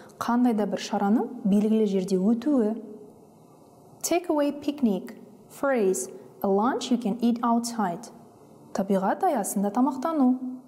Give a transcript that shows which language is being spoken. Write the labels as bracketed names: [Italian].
[Kazakh] Қандай да бір шараның белгілі жерде өтуі. [English] Take away picnic, phrase, a lunch you can eat outside. [Kazakh] Табиғат аясында тамақтану.